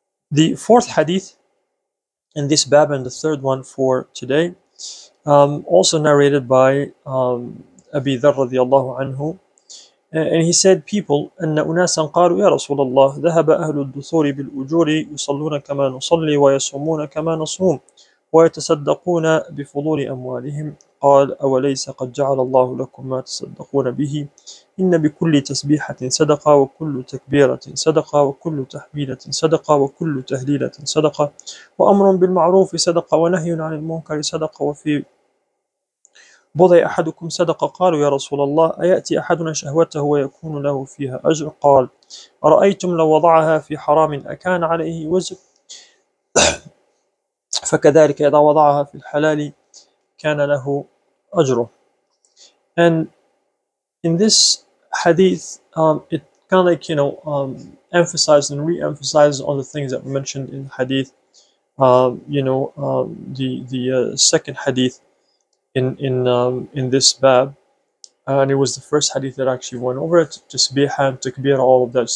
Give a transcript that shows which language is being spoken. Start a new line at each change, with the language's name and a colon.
English: The fourth hadith in this bab and the third one for today, also narrated by Abi Dharr radiallahu anhu, and he said, people,
Arabic: أَنَّ أُنَاسًا قَالُوا يَا رَسُولَ اللَّهِ ذَهَبَ أَهْلُ الدُّثُورِ بِالْأُجُورِ يُصَلُّونَ كَمَا نُصَلِّي وَيَصُومُونَ كَمَا نَصُومُ ويتصدقون بفضول أموالهم قال أوليس قد جعل الله لكم ما تصدقون به إن بكل تسبيحة صدقة وكل تكبيرة صدقة وكل تحميدة صدقة وكل تهليلة صدقة وأمر بالمعروف صدقة ونهي عن المنكر صدقة وفي بضع أحدكم صدقة. قالوا يا رسول الله أيأتي أحدنا شهوته ويكون له فيها أجر؟ قال أرأيتم لو وضعها في حرام أكان عليه وزر؟ فكذلك إذا وضعها في الحلال كان له أجره.
English: And in this hadith, it kind of like, you know, emphasized and re-emphasized on the things that were mentioned in hadith, you know, the second hadith in this bab, and it was the first hadith that actually went over it, tasbihah and takbir, all of that.